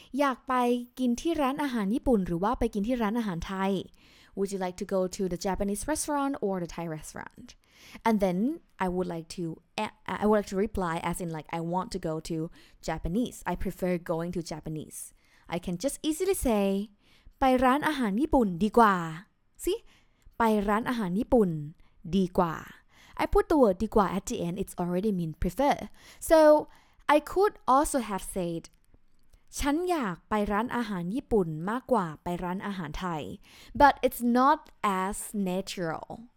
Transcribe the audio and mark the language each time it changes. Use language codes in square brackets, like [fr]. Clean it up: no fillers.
[th] อยากไปกินที่ร้านอาหารญี่ปุ่นหรือว่าไปกินที่ร้านอาหารไทย [en] Would you like to go to the Japanese restaurant or the Thai restaurant? And then I would like to reply as in like I want to go to Japanese. I prefer going to Japanese. I can just easily say [th] ไปร้านอาหารญี่ปุ่นดีกว่า [en] See? [th] ไปร้านอาหารญี่ปุ่นดีกว่า [en] I put the word ดีกว่า at the end. It's already mean prefer. So I could also have said [th] ฉันอยากไปร้านอาหารญี่ปุ่นมากกว่าไปร้านอาหารไทย [en] But it's not as natural.